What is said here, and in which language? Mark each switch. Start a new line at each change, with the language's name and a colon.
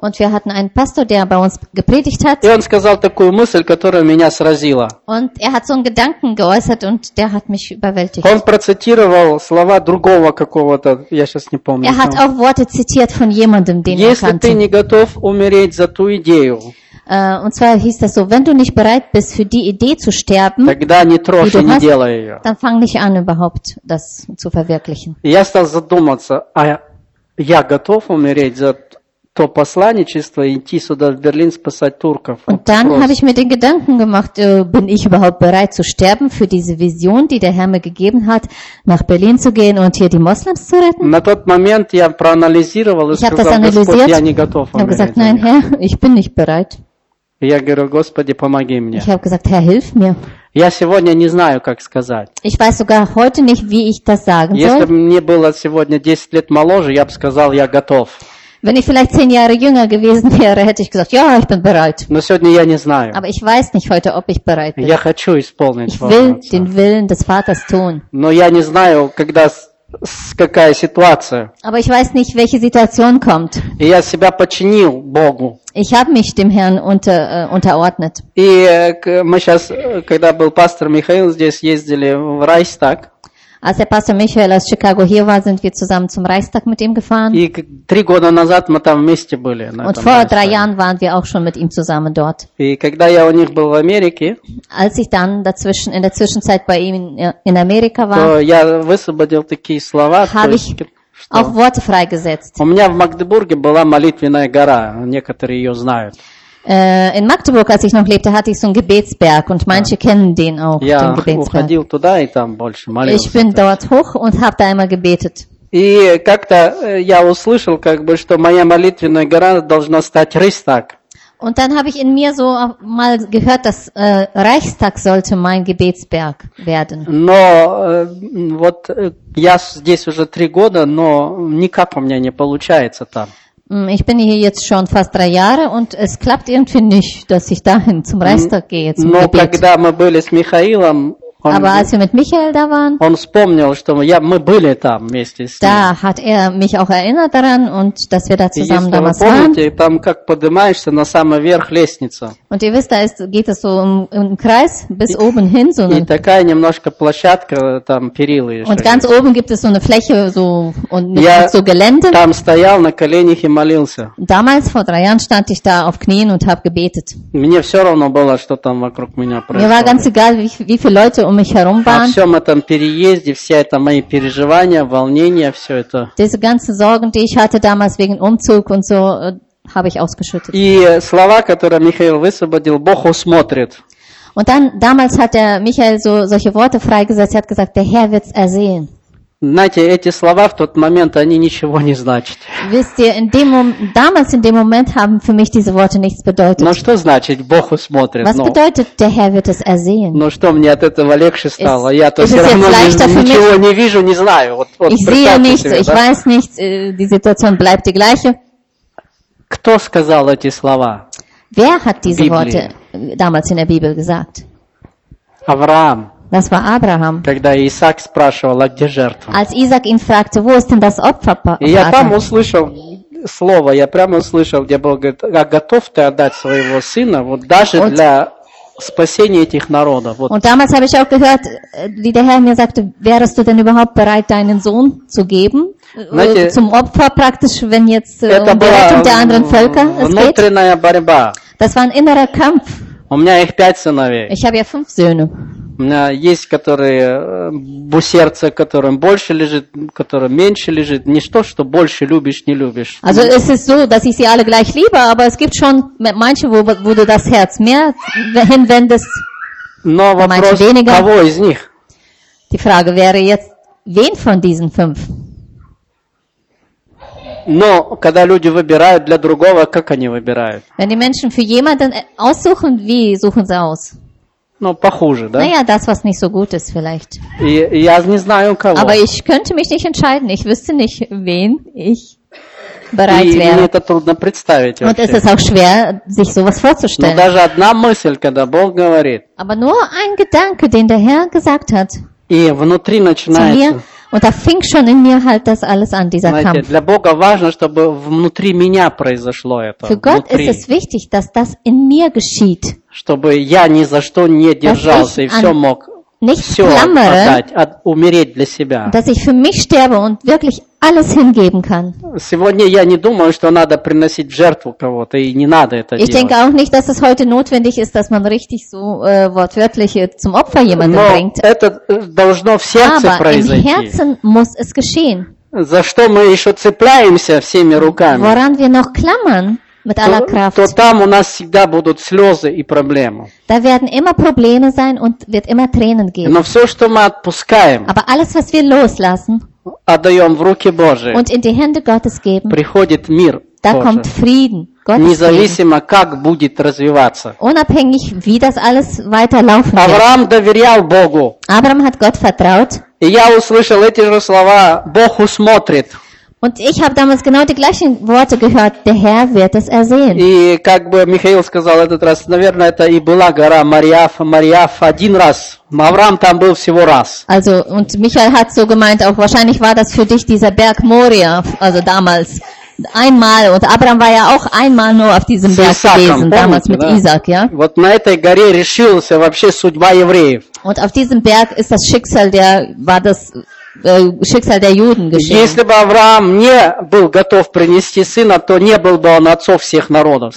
German: Und wir hatten einen Pastor, der bei uns gepredigt hat.
Russian: И он сказал такую мысль, которая меня сразила.
German: Und er hat so einen Gedanken geäußert und der hat mich überwältigt.
Russian: Он процитировал слова другого какого-то, я сейчас не помню.
German: Er hat auch Worte zitiert von jemandem, den er kannte.
Russian: Если ты не готов умереть за ту идею.
German: Und zwar hieß das so, wenn du nicht bereit bist, für die Idee zu sterben,
Russian: тогда не трожь,
German: die du hast,
Russian: не делай ее.
German: Dann fang nicht an, überhaupt das zu verwirklichen.
Russian: Я стал задуматься, а я готов умереть за то посланничество и идти сюда в Берлин спасать турков.
German: Und dann habe ich mir den Gedanken gemacht, bin ich überhaupt bereit zu sterben für diese Vision, die der Herr mir gegeben hat, nach Berlin zu gehen und hier die Moslems zu retten?
Russian: На тот момент я проанализировал и сказал, Господь, я не готов умереть.
German: Ich habe gesagt, nein, Herr, ich bin nicht bereit.
Russian: Я говорю, Господи, помоги мне.
German: Ich habe gesagt, Herr, hilf mir.
Russian: Я сегодня не знаю, как сказать.
German: Ich weiß sogar heute nicht, wie ich das sagen
Russian: если
German: soll.
Russian: Если бы мне было сегодня 10 лет моложе, я бы сказал, я готов.
German: Wenn ich vielleicht 10 Jahre jünger gewesen wäre, hätte ich gesagt, ja, ich bin bereit.
Russian: Но сегодня я не знаю.
German: Aber ich weiß nicht heute, ob ich bereit bin.
Russian: Я хочу исполнить
German: Ich will den Willen des Vaters tun.
Russian: Но я не знаю, когда какая ситуация.
German: Aber ich weiß nicht, welche Situation kommt.
Russian: И я себя подчинил Богу.
German: Ich habe mich dem Herrn unterordnet.
Russian: И мы сейчас, когда был пастор Михаил здесь, ездили в Рейхстаг.
German: Als der Pastor Michael aus Chicago hier war, sind wir zusammen zum Reichstag mit ihm gefahren.
Russian: И 3 года назад мы там вместе были.
German: Und vor 3 Jahren waren wir auch schon mit ihm zusammen dort.
Russian: И когда я у них был в Америке,
German: als ich dann dazwischen in der Zwischenzeit bei ihm in Amerika war,
Russian: то я высвободил такие слова,
German: habe ich auch Worte freigesetzt.
Russian: У меня в Магдебурге была молитвенная гора, некоторые ее знают.
German: In Magdeburg, als ich noch lebte, hatte ich so einen Gebetsberg und manche kennen den auch,
Russian: я
German: den Gebetsberg.
Russian: Уходил туда и там больше молился.
German: Ich bin dort hoch und habe da einmal gebetet.
Russian: И как-то я услышал, как бы, что моя молитвенная гора должна стать Рейхстаг.
German: Und dann habe ich in mir so mal gehört, dass Reichstag sollte mein Gebetsberg werden.
Russian: Но вот я здесь уже 3 года, но никак у меня не получается там.
German: Ich bin hier jetzt schon fast 3 Jahre und es klappt irgendwie nicht, dass ich dahin zum Reichstag gehe zum Gebet.
Russian: Но когда мы были с Михаилом,
German: aber als wir mit Michael da waren,
Russian: он вспомнил, что мы были там вместе с ним.
German: Da hat mich auch erinnert daran und dass wir da zusammen damals waren.
Russian: Если вы помните, там как поднимаешься на самый верх лестницы.
German: Und ihr wisst, da geht es so im Kreis bis oben hin so eine.
Russian: И такая немножко площадка там перилы.
German: Und ganz oben gibt es so eine Fläche so und so Gelände.
Russian: Я там стоял на коленях и молился.
German: Damals vor 3 Jahren stand ich da auf Knien und habe gebetet.
Russian: Мне все равно было, что там вокруг меня происходит.
German: Mir war ganz egal, wie viele Leute um mich herum waren.
Russian: Во всем этом переезде, все это мои переживания, волнения, все это.
German: Diese ganzen Sorgen, die ich hatte damals wegen Umzug und so, habe ich ausgeschüttet.
Russian: И слова, которые Михаил высвободил, Бог усмотрит.
German: Und dann damals hat der Michael so solche Worte freigesetzt. Er hat gesagt, der Herr wird's ersehen.
Russian: Знаете, эти слова в тот момент они ничего не значат.
German: Wisst ihr, in dem Moment haben für mich diese Worte nichts bedeutet.
Russian: Но что значит, Бог усмотрит?
German: Was bedeutet, der Herr wird es ersehen?
Russian: Ну что, мне от этого легче стало? Я то все равно ничего не вижу, не знаю.
German: Ich sehe nichts, ich weiß nichts. Die Situation bleibt die gleiche.
Russian: Кто сказал эти слова?
German: Wer hat diese Worte damals in der Bibel gesagt?
Russian: Авраам.
German: Das war Abraham.
Russian: Когда Исаак спрашивал, а где жертва?
German: Als Isaac ihn fragte, wo ist denn das Opfer?
Russian: Я там услышал слово, я прямо услышал, где Бог говорит, а готов ты отдать своего сына, вот даже для спасения этих народов? Вот.
German: Und damals habe ich auch gehört, wie der Herr mir sagte, wärest du denn überhaupt bereit, deinen Sohn zu geben?
Russian: Знаете,
German: zum Opfer praktisch, wenn jetzt um Rettung der anderen Völker es geht?
Russian: Внутренняя борьба.
German: Das war ein innerer Kampf.
Russian: У меня их 5 сыновей.
German: Ich habe ja 5 Söhne.
Russian: У меня есть, которые сердце, которым больше лежит, которым меньше лежит. Не то, что больше любишь, не любишь.
German: Also es ist so, dass ich sie alle gleich liebe, aber es gibt schon manche, wo du das Herz mehr hinwendest.
Russian: Но вопрос, кого из них?
German: Die Frage wäre jetzt, wen von diesen 5?
Russian: Но когда люди выбирают для другого, как они выбирают?
German: Wenn die Menschen für jemanden aussuchen, wie suchen sie aus?
Russian: Ну, похуже, да?
German: Naja, das, was nicht so gut ist, vielleicht.
Russian: Я не знаю, кого.
German: Aber ich könnte mich nicht entscheiden. Ich wüsste nicht, wen ich bereit wäre.
Russian: И мне это трудно представить.
German: Und es ist auch schwer, sich sowas vorzustellen.
Russian: Но даже одна мысль, когда Бог говорит.
German: Aber nur ein Gedanke, den der Herr gesagt hat.
Russian: И внутри начинается.
German: Und da fing schon in mir halt das alles an, dieser Знаете, Kampf.
Russian: Для Бога важно, чтобы внутри меня произошло это.
German: Für Gott
Russian: внутри.
German: Ist es wichtig, dass das in mir geschieht.
Russian: Чтобы я ни за что не держался и все мог все отдать, умереть для себя.
German: Dass ich für mich sterbe und wirklich alles hingeben kann.
Russian: Сегодня я не думаю, что надо приносить в жертву кого-то, и не надо это делать.
German: Ich denke auch nicht, dass es heute notwendig ist, dass man richtig so wortwörtlich zum Opfer jemanden bringt.
Russian: Но это должно в сердце
German: Aber
Russian: произойти.
German: Im Herzen muss es geschehen.
Russian: За что мы еще цепляемся всеми руками?
German: Woran wir noch klammern? Mit aller Kraft.
Russian: То там у нас всегда будут слезы и проблемы.
German: Da werden immer Probleme sein und wird immer Tränen geben.
Russian: Но все, что мы отпускаем,
German: Aber alles, was wir loslassen,
Russian: отдаем в руки Божии,
German: und in die Hände Gottes geben,
Russian: приходит мир
German: da
Russian: Божий.
German: Kommt Frieden, Gottes
Russian: независимо, Frieden. Как будет развиваться.
German: Unabhängig, wie das alles weiterlaufen wird.
Russian: Авраам доверял Богу.
German: Abraham hat Gott vertraut.
Russian: И я услышал эти же слова, Бог усмотрит.
German: Und ich habe damals genau die gleichen Worte gehört, der Herr wird es ersehen.
Russian: И как бы Михаил сказал этот раз, наверное, это и была гора Мариаф один раз. Авраам там был всего раз.
German: Also, und Michael hat so gemeint, auch wahrscheinlich war das für dich dieser Berg Moria, also damals, einmal. Und Abraham war ja auch einmal nur auf diesem Berg
Russian: Исааком,
German: gewesen,
Russian: помните,
German: damals mit
Russian: да?
German: Исаак, ja?
Russian: Вот на этой горе решился вообще судьба евреев.
German: Und auf diesem Berg ist das Schicksal, der war das... Schicksal der Juden geschehen.
Russian: Если бы Авраам не был готов принести сына, то не был бы он отцом всех народов.